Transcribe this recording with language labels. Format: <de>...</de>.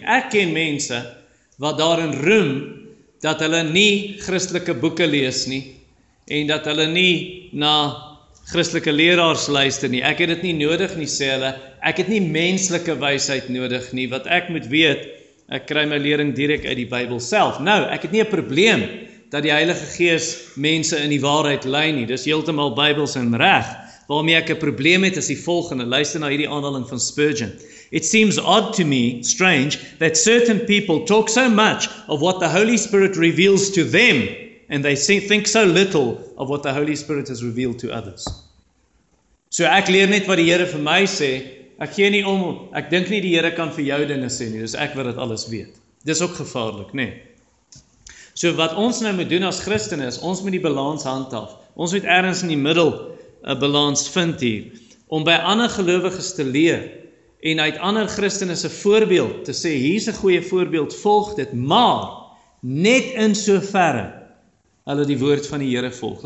<af>Ek ken mense wat daarin roem, dat hulle nie Christelike boeke lees nie, en dat hulle nie na Christelike leraars luister nie, ek het dit nie nodig nie, sê hulle, ek het nie menslike wysheid nodig nie, wat ek moet weet, ek kry my lering direk uit die Bybel self. Nou, ek het nie 'n probleem, dat die Heilige Gees mense in die waarheid lei nie, dis heeltemal Bybels en reg, waarmee ek 'n probleem het, is die volgende, luister na hierdie aanhaling van Spurgeon.</af> <en>It seems odd to me, strange, that certain people talk so much of what the Holy Spirit reveals to them, and they think so little of what the Holy Spirit has revealed to others.</en> <af>So ek leer net wat die Here vir my sê, ek gee nie om, ek dink nie die Here kan vir jou dinge sê nie, dus ek wil dit alles weet. Dis ook gevaarlik, nee. So wat ons nou moet doen as Christene is, ons moet die balans handhaaf. Ons moet ergens in die middel 'n balans vind hier, om by ander gelowiges te leer, en uit ander Christene se voorbeeld te sê, hier's 'n goeie voorbeeld, volg dit, maar net in soverre, hulle die woord van die Here volg.</af>